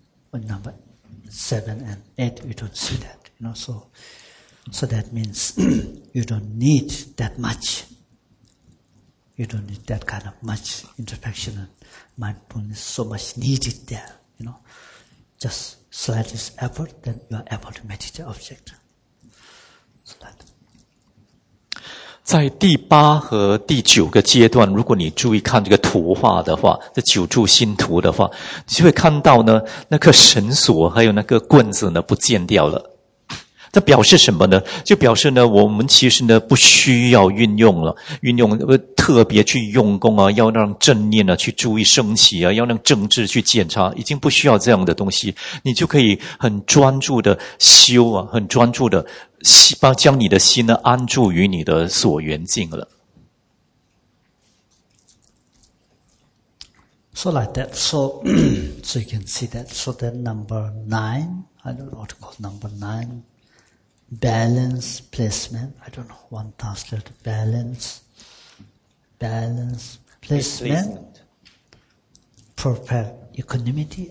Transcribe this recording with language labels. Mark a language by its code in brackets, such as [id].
[en] But number 7 and 8, you don't see that, you know, so that means you don't need that much. You don't need that kind of much introspection and mindfulness, so much needed there, you know. Just slightest effort, then you are able to meditate object. [zh] 在第八和第九个阶段，如果你注意看这个图画的话，这九柱心图的话，你就会看到呢，那个绳索还有那个棍子呢不见掉了。这表示什么呢？就表示呢，我们其实呢不需要运用特别去用功啊，要让正念啊去注意升起啊，要让正知去检查，已经不需要这样的东西，你就可以很专注的修啊，很专注的。将你的心呢安住于你的所缘境了。 [en] So like that, so you can see that. So then number nine, I don't know what to call number nine, balance placement. I don't know one translation balance placement, proper equanimity.